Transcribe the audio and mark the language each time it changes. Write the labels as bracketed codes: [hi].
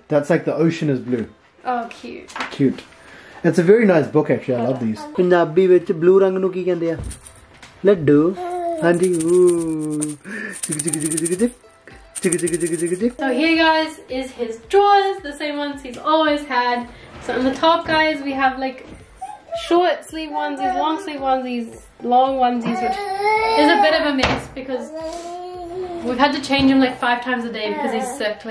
[en] that's like the ocean is blue. Oh, cute. Cute. It's a very nice book, actually. I love these. Punjabi with blue [pa] ਰੰਗ ਨੂੰ ਕੀ ਕਹਿੰਦੇ ਆ। Laddu. ਹਾਂਜੀ। [en] So here, guys, is his drawers, the same ones he's always had. So on the top, guys, we have like short sleeve onesies, long sleeve onesies, long onesies, which is a bit of a mess because we've had to change him like 5 times a day because he's sick.